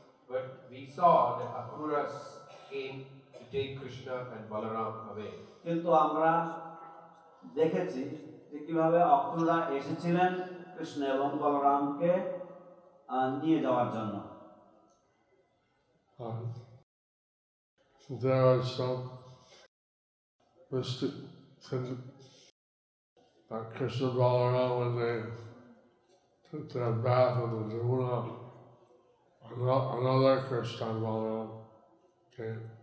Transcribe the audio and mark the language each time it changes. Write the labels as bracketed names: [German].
[English] But we saw that Akuras came to take Krishna and Balaram away. [Bangla] কিন্তু আমরা দেখেছি যে কিভাবে অকুরা এসেছিলেন কৃষ্ণ এবং বলরামকে নিয়ে যাওয়ার জন্য। [English] There are some mystics that Krishna and Balaram when they took their bath in the Jamuna. Another Krishna and Balaram came.